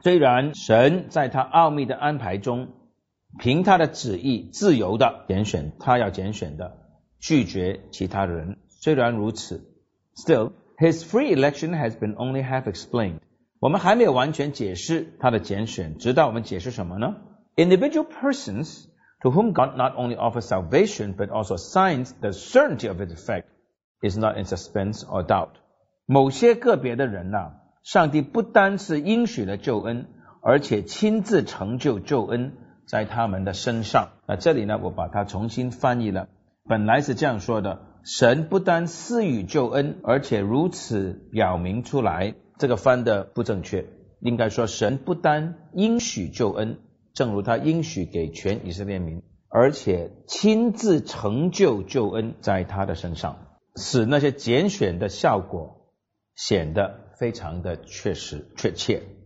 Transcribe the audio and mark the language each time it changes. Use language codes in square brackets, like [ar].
[zh] 虽然神在他奥秘的安排中，凭他的旨意自由的拣选他要拣选的，拒绝其他人，虽然如此， [en] still his free election has been only half explained。 [zh] 我们还没有完全解释他的拣选，直到我们解释什么呢？ [en] Individual persons to whom God not only offers salvation but also assigns the certainty of its effect is not in suspense or doubt. [zh] 某些个别的人啊，上帝不单是应许了救恩，而且亲自成就救恩在他们的身上。那这里呢，我把它重新翻译了，本来是这样说的，神不单赐予救恩，而且如此表明出来，这个翻的不正确，应该说神不单应许救恩，正如他应许给全以色列民，而且亲自成就救恩在他的身上，使那些拣选的效果显得非常的确实确切。